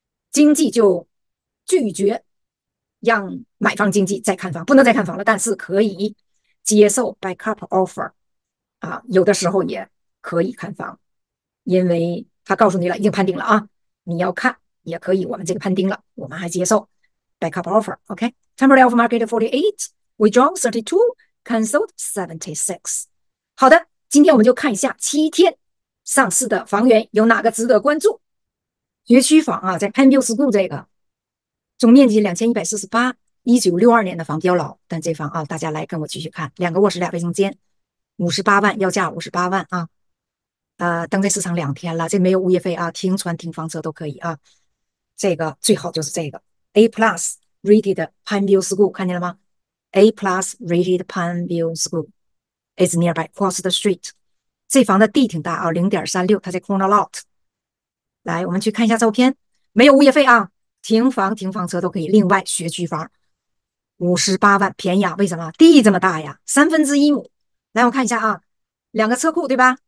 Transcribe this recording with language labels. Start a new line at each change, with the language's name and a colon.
Chinese: 经济就拒绝让买方经济再看房，不能再看房了，但是可以接受 backup offer 啊，有的时候也可以看房，因为他告诉你了，已经判定了啊，你要看也可以，我们这个判定了，我们还接受。
English: Backup offer, okay. Temporary off market 48, withdrawn 32, canceled 76.
Chinese: 好的，今天我们就看一下7天上市的房源有哪个值得关注。学区房啊，在 Panview School 这个总面积2148，1962年的房比较老，但这房啊，大家来跟我继续看，两个卧室俩卫生间，58万，要价58万啊。登在市场2天了，这没有物业费啊，停船停房车都可以啊。这个最好就是这个。
English: A plus rated Pineview School，
Chinese: 看见了吗？
English: A plus rated Pineview School is nearby, cross the street。
Chinese: 这房的地挺大啊，0.36，它在 corner lot。来，我们去看一下照片，没有物业费啊，停房车都可以。另外，学区房58万，便宜啊？为什么？地这么大呀，1/3亩。来，我看一下啊，两个车库对吧？